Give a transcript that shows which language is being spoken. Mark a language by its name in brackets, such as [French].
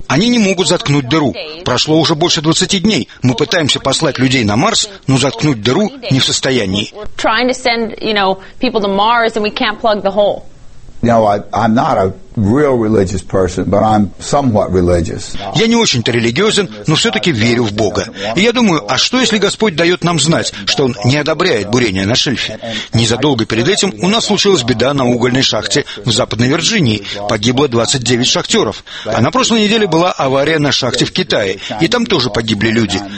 [Russian] Они не могут заткнуть дыру. Прошло уже больше 20 дней. Мы пытаемся послать людей на Марс, но заткнуть дыру не в состоянии. [English] We're trying to send, you know, people to Mars, and we can't plug the hole. I'm not a real religious person, but I'm somewhat religious. [Russian] Я не очень-то религиозен, но все-таки верю в Бога. И я думаю, а что, если Господь дает нам знать, что Он не одобряет бурение на шельфе? Незадолго перед этим у нас случилась беда на угольной шахте в Западной Вирджинии. Погибло 29 шахтеров. А на прошлой неделе была авария на шахте в Китае, и там тоже погибли люди.